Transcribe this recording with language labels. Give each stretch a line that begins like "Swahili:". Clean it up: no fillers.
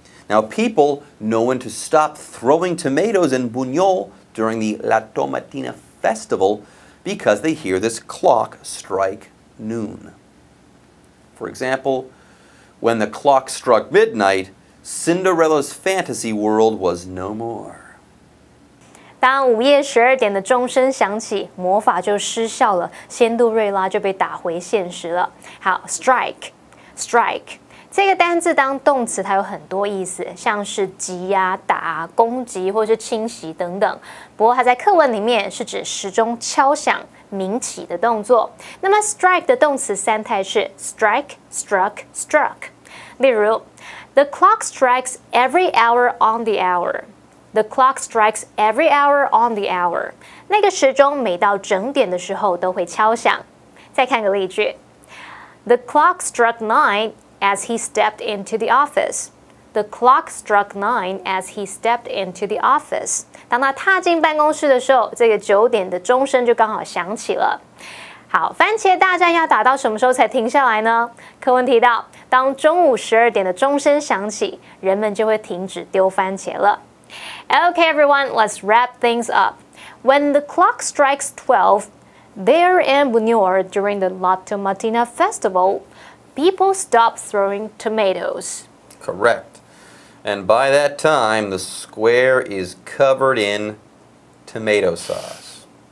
English: Now, people know when to stop throwing tomatoes and buñol during the La Tomatina festival because they hear this clock strike noon. For example, when the clock struck midnight, Cinderella's fantasy world was no more.
Chinese: 当午夜12点的钟声响起，魔法就失效了，仙杜瑞拉就被打回现实了。好 ，strike， strike 这个单字当动词，它有很多意思，像是击呀、打、攻击或是侵袭等等。不过它在课文里面是指时钟敲响、鸣起的动作。那么 strike 的动词三态是 strike、struck、struck。例如
English: ，The clock strikes every hour on the hour。 The clock strikes every hour on the hour.
Chinese: 那个时钟每到整点的时候都会敲响。再看个例句。
English: The clock struck 9 as he stepped into the office. The clock struck 9 as he stepped into the office.
Chinese: 当他踏进办公室的时候，这个9点的钟声就刚好响起了。好，番茄大战要打到什么时候才停下来呢？课文提到，当中午12点的钟声响起，人们就会停止丢番茄了。
English: Okay, everyone, let's wrap things up. When the clock strikes 12, there in Bunyor during the La Tomatina festival, people stop throwing tomatoes. Correct. And by that time, the square is covered in tomato sauce.